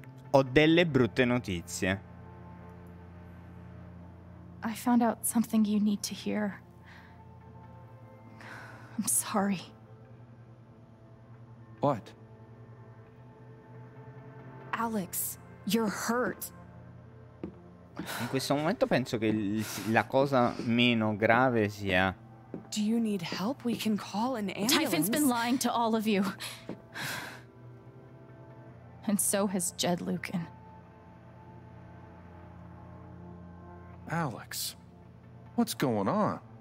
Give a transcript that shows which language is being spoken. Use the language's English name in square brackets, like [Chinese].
[Italian] Ho delle brutte notizie. [English] I found out something you need to hear. I'm sorry. What? Alex, you're hurt. [Italian] In questo momento penso che la cosa meno grave sia. [English] Do you need help? We can call an ambulance. Typhon's been lying to all of you. And so has Jed Lucan. Alex, what's going on?